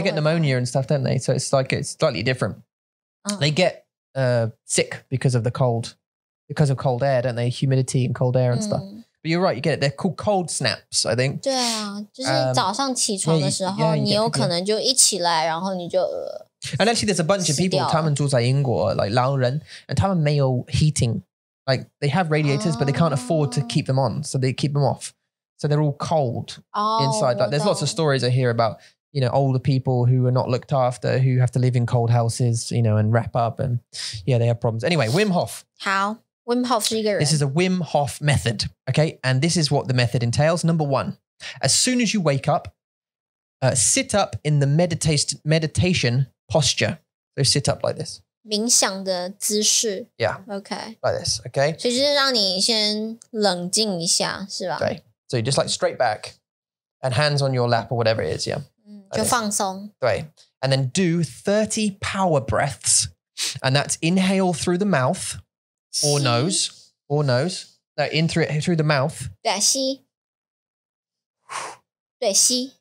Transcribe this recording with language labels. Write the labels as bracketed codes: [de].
[en] they get pneumonia and stuff don't they so it's like it's slightly different they get sick because of the cold because of cold air don't they humidity and cold air and stuff but you're right you get it they're called cold snaps I think [zh] 对啊就是早上起床的时候你有可能就一起来然后你就 [en] and actually there's a bunch of people [zh] 他们住在英国 [en] like [zh] 老人 [en] and [zh] 他们没有 [en] heating Like, they have radiators, but they can't afford to keep them on, so they keep them off. So they're all cold inside. Like, there's lots of stories I hear about, you know, older people who are not looked after, who have to live in cold houses, you know, and wrap up, and yeah, they have problems. Anyway, Wim Hof. How? [zh] Wim Hof 是一个人. [en] This is a Wim Hof method, okay? And this is what the method entails. Number one, as soon as you wake up, sit up in the meditation posture. So sit up like this. [zh] 冥想的姿勢 [en] Yeah Okay Like this, okay [zh] 所以就是让你先冷静一下,是吧? [en] Okay So you just like straight back And hands on your lap or whatever it is, yeah [zh] 就放松 [en] 对 And then do 30 power breaths And that's inhale through the mouth Or nose Or nose No, in through the mouth [zh] 对,吸